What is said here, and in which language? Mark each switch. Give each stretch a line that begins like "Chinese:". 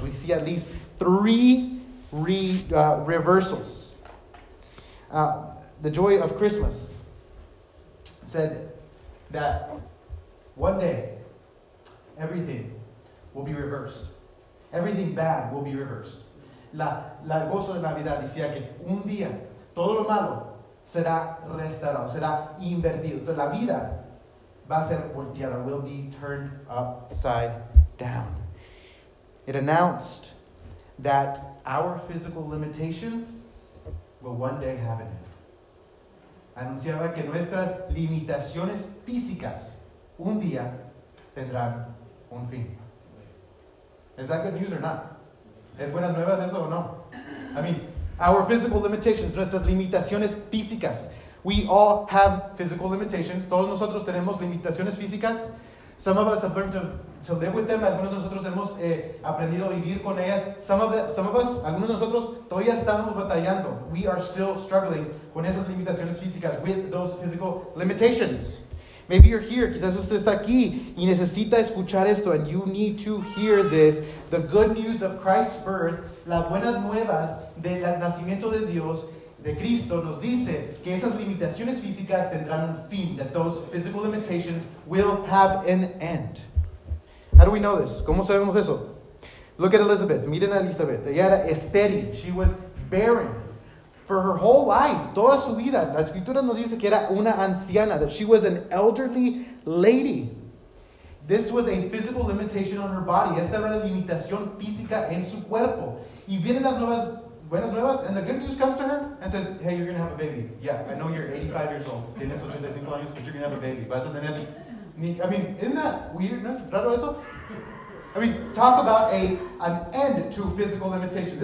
English: We see at least three reversals. The joy of Christmas said that one day everything will be reversed. Everything bad will be reversed.
Spanish: La gozo de Navidad decía que un día todo lo malo será restaurado, será invertido. Entonces, la vida va a ser volteada,
English: will be turned upside down. It announced that our physical limitations will one day have an end.
Spanish: Anunciaba que nuestras limitaciones físicas un día tendrán un fin.
English: Is that good news or not?
Spanish: ¿Es buenas nuevas eso o no?
English: I mean, our physical limitations,
Spanish: nuestras limitaciones físicas.
English: We all have physical limitations.
Spanish: Todos nosotros tenemos limitaciones físicas.
English: Some of us have learned to live with them.
Spanish: Algunos de nosotros hemos aprendido a vivir con ellas. Algunos de nosotros todavía estamos batallando.
English: We are still struggling
Spanish: con esas limitaciones físicas,
English: with those physical limitations. Maybe you're here,
Spanish: quizás usted está aquí, y necesita escuchar esto,
English: and you need to hear this. The good news of Christ's birth,
Spanish: las buenas nuevas del nacimiento de Dios, de Cristo, nos dice que esas limitaciones físicas tendrán un fin,
English: that those physical limitations will have an end. How do we know this?
Spanish: ¿Cómo sabemos eso?
English: Look at Elizabeth.
Spanish: Miren a Elizabeth. Ella era estéril.
English: She was barren. For her whole life,
Spanish: toda su vida, la escritura nos dice que era una anciana,
English: that she was an elderly lady. This was a physical limitation on her body.
Spanish: Esta era una limitación física en su cuerpo. Y vienen las nuevas, buenas nuevas,
English: and the good news comes to her and says, hey, you're going to have a baby. Yeah, I know you're 85 years old.
Spanish: Tienes 85 años,
English: but you're going to have a baby.
Spanish: Vas a tener...
English: I mean, isn't that weird?
Spanish: ¿No es raro eso?
English: I mean, talk about an end to physical limitation.